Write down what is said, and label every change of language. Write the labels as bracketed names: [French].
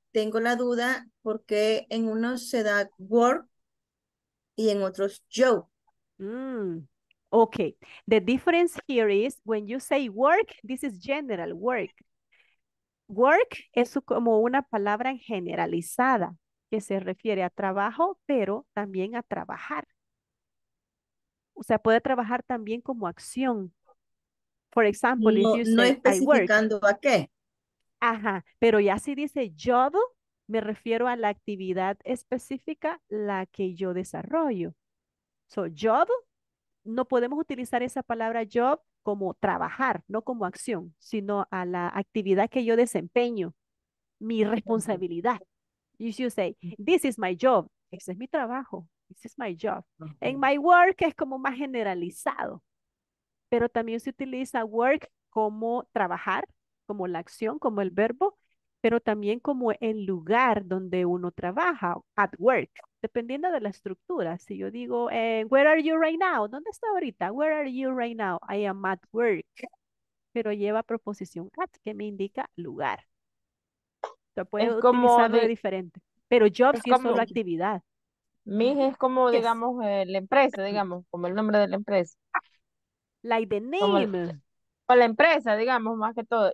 [Spanish] Tengo la duda porque en uno se da work y en otros job. Mm. Okay. [English] The difference here is when you say work, this is general work. [Spanish] Work es como una palabra generalizada. Que se refiere a trabajo, pero también a trabajar. O sea, puede trabajar también como acción. [English] For example, [Spanish] no, [English] if you say, [Spanish] no especificando [English] I work. [Spanish] ¿A qué? Ajá, pero ya si dice job, me refiero a la actividad específica, la que yo desarrollo. So, job, no podemos utilizar esa palabra job como trabajar, no como acción, sino a la actividad que yo desempeño, mi responsabilidad. [English] You should say, this is my job. [Spanish] Ese es mi trabajo. [English] This is my job. Uh-huh. And my work [Spanish] es como más generalizado. Pero también se utiliza work como trabajar, como la acción, como el verbo, pero también como el lugar donde uno trabaja, [English] at work, [Spanish] dependiendo de la estructura. Si yo digo, [English] where are you right now? [Spanish] ¿Dónde está ahorita? [English] Where are you right now? I am at work. [Spanish] pero lleva proposición at, que me indica lugar. Se puede utilizarlo de diferente. Pero job sí es solo actividad. Miss es como, yes, digamos, la empresa, digamos, como el nombre de la empresa. [English] Like the name. [Spanish] Como la empresa, digamos, más que todo.